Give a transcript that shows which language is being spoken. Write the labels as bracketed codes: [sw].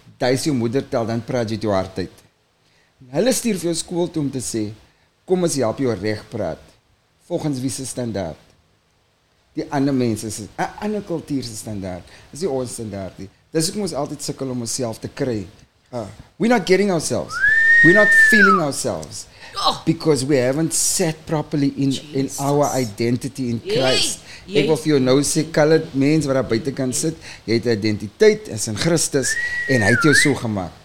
[af] Daar is jou moedertaal, dan praat jy jou hart uit. Hulle stuur vir jou skool toe om te sê, kom ons help jou reg praat. Volgens wie se standaard? Die ander mense, een ander kultuur se standaard. Is die ons standaard nie. Dis ook ons altyd sukkel om onsself te kry. [en] We're not getting ourselves. We're not feeling ourselves. Because we haven't sat properly in our identity in Christ. [af] Ek wil vir jou nou sê, colored mens wat daar buiten kan sit, jy het identiteit, is in Christus, en hy het jou so gemaakt.